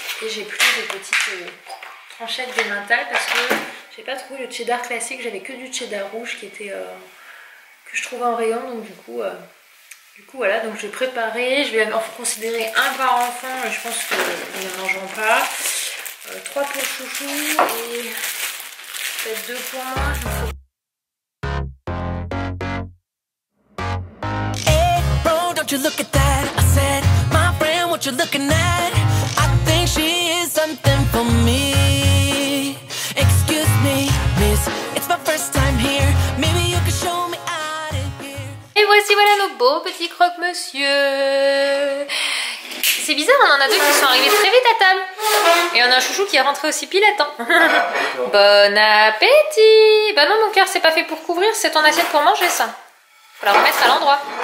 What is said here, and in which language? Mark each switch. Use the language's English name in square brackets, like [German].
[French] Et j'ai pris des petites tranchettes d'emmental parce que j'ai pas trouvé le cheddar classique, j'avais que du cheddar rouge qui était que je trouvais en rayon. Donc du coup voilà, donc j'ai préparé, je vais en considérer un par enfant, je pense qu'ils n'en mangeront pas. Trois pour chouchou et peut-être deux pour moi. [English] Hey bro, don't you look at that? I said, my friend, what you looking at? I think she is something for me. Excuse me, miss, it's my first time here. Maybe you can show me out of here. [French] Et voici voilà nos beaux petits croque-monsieur. C'est bizarre, on en a deux qui sont arrivés très vite à table. Et on a un chouchou qui est rentré aussi pile à temps. Bon appétit. Bah non, mon cœur, c'est pas fait pour couvrir, c'est ton assiette pour manger ça. Faut la remettre à l'endroit.